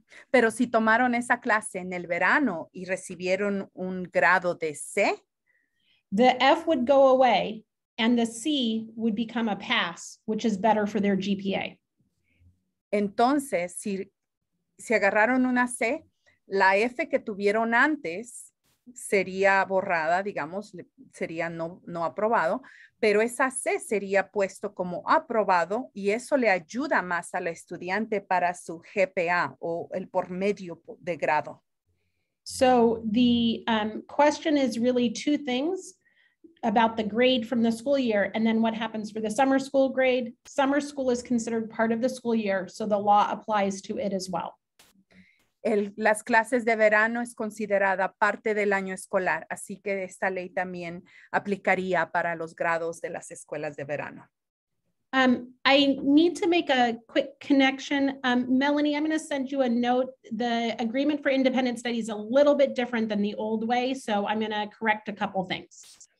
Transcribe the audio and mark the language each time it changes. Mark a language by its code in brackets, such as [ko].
[es] pero si tomaron esa clase en el verano y recibieron un grado de C, [en] the F would go away. And the C would become a pass, which is better for their GPA. [es] Entonces, si agarraron una C, la F que tuvieron antes sería borrada, digamos, sería no aprobado, pero esa C sería puesto como aprobado y eso le ayuda más al estudiante para su GPA o el por medio de grado. [en] So the question is really two things. About the grade from the school year, and then what happens for the summer school grade. Summer school is considered part of the school year, so the law applies to it as well. [es] Las clases de verano es considerada parte del año escolar, así que esta ley también aplicaría para los grados de las escuelas de verano. [en] I need to make a quick connection. Melanie, I'm going to send you a note. The agreement for independent study is a little bit different than the old way, so I'm going to correct a couple things.